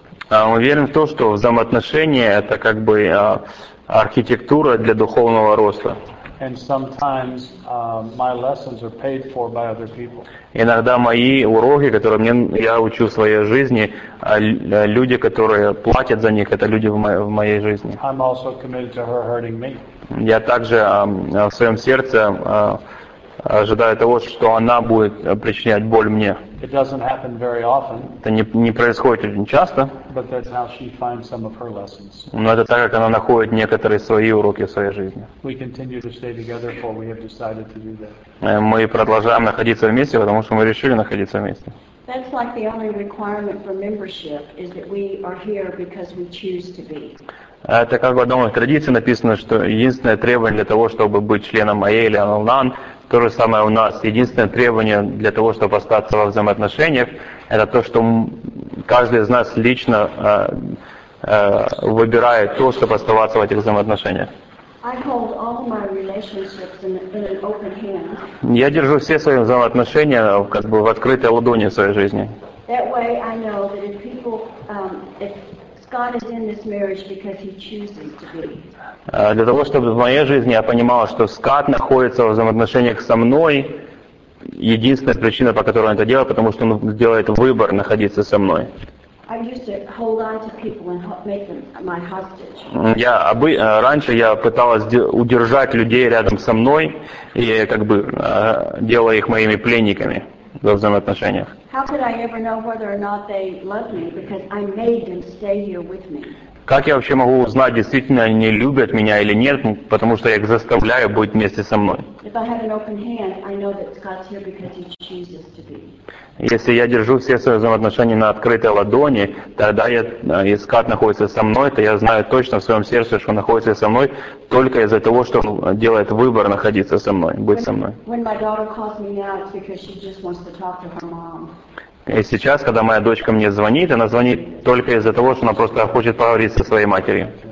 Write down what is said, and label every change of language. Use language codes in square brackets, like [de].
[ru] Мы верим в то, что взаимоотношения – это как бы архитектура для духовного роста. [en] And sometimes my lessons are paid for by other people. [ru] Иногда мои уроки, которые я учу в своей жизни, люди, которые платят за них, это люди в моей жизни. [en] I'm also committed to her hurting me. [ru] Я также в своем сердце ожидаю того, что она будет причинять боль мне. [en] It doesn't happen very often. [ru] Это не происходит очень часто. [en] But that's how she finds some of her lessons. [ru] Но это так, как она находит некоторые свои уроки в своей жизни. [en] We continue to stay together, for we have decided to do that. [ru] Мы продолжаем находиться вместе, потому что мы решили находиться вместе. [en] That's like the only requirement for membership is that we are here because we choose to be. [ru] Это как в одном из традиций написано, что единственное требование для того, чтобы быть членом АА или Al-Anon, то же самое у нас. Единственное требование для того, чтобы остаться во взаимоотношениях, это то, что каждый из нас лично выбирает то, чтобы оставаться в этих взаимоотношениях. [en] I hold all my relationships in an open hand. [ru] Я держу все свои взаимоотношения как бы в открытой ладони в своей жизни. [en] That way I know that if God is in this marriage because he chooses to be. [ru] Для того, чтобы в моей жизни я понимала, что Скат находится в взаимоотношениях со мной, единственная причина, по которой он это делает, потому что он делает выбор находиться со мной. [en] I used to hold on to people and make them my hostage. [ru] Раньше я пыталась удержать людей рядом со мной и как бы делая их моими пленниками. во взаимоотношениях. [en] How could I ever know whether or not they love me because I made them stay here with me? [ru] Как я вообще могу узнать, действительно они любят меня или нет, потому что я их заставляю быть вместе со мной? [en] If I have an open hand, I know that God's here because He chooses to be. [ru] Если я держу все свои взаимоотношения на открытой ладони, тогда я, если Кат находится со мной, то я знаю точно в своем сердце, что он находится со мной только из-за того, что он делает выбор находиться со мной, быть со мной. [en] When my daughter calls me now, it's because she just wants to talk to her mom. [ru] И сейчас, когда моя дочка мне звонит, она звонит только из-за того, что она просто хочет поговорить со своей матерью.